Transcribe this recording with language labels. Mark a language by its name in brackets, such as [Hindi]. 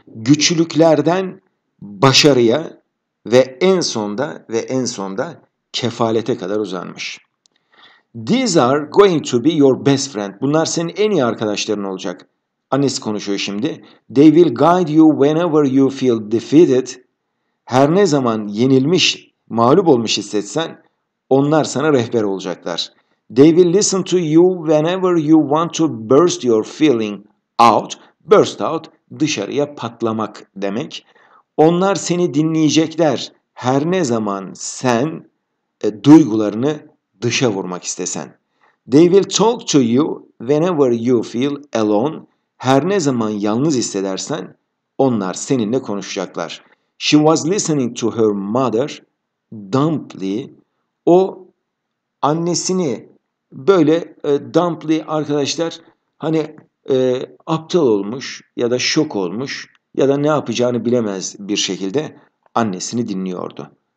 [Turkish] Güçlüklerden başarıya ve en sonda kefalete kadar uzanmış. [English] These are going to be your best friend. [Turkish] Bunlar senin en iyi arkadaşların olacak. Annesi konuşuyor şimdi. [English] They will guide you whenever you feel defeated. [Turkish] Her ne zaman yenilmiş, mağlup olmuş hissetsen, onlar sana rehber olacaklar. [English] They will listen to you whenever you want to burst your feeling out. [Turkish] Burst out, dışarıya patlamak demek. Onlar seni dinleyecekler her ne zaman sen duygularını dışa vurmak istesen. [English] They will talk to you whenever you feel alone. [Turkish] Her ne zaman yalnız hissedersen onlar seninle konuşacaklar. [English] She was listening to her mother dumply. [Turkish] O annesini böyle dumply, arkadaşlar, hani aptal olmuş ya da şok olmuş ya da ne yapacağını bilemez bir şekilde annesini dinliyordu.